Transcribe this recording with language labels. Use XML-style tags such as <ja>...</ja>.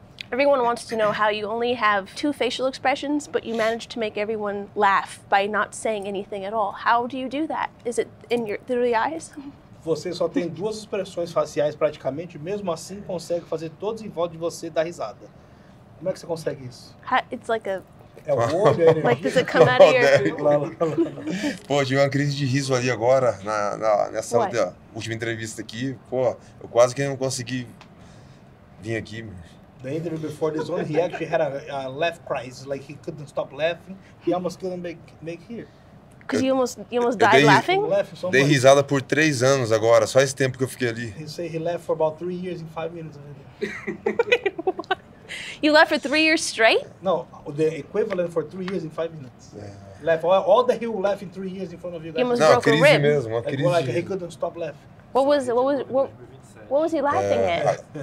<en>Everyone wants to know how you only have two facial expressions, but you manage to make everyone laugh by not saying anything at all. How do you do that? Is it through the eyes?</en> <pt>Você só tem duas expressões faciais praticamente, mesmo assim consegue fazer todos em volta de você dar risada. Como é que você consegue isso?</pt> <en>It's like a...</en> <pt>É o olho,</pt> <en>like, does it come out of your...</en> <pt>Pô, tive uma crise de riso ali agora, nessa outra, última entrevista aqui. Pô, eu quase que não consegui vir aqui.</pt> <en>The interview before this one, he actually had a laugh crisis, like he couldn't stop laughing. He almost couldn't make here. Because you almost died laughing?</en> <pt>Dei risada por 3 anos agora, só esse tempo que eu fiquei ali.</pt> <en>He said he laughed for about 3 years and 5 minutes. Wait, what? You laughed for 3 years straight? No, the equivalent for 3 years and 5 minutes. Yeah. Laugh. All that he will laugh in 3 years in front of you guys. He almost</en> <pt>Não,</pt> <en>broke a rib.</en> <pt>Mesmo, a crise.</pt> <en>Like, he couldn't stop laughing. What was he laughing at?</en>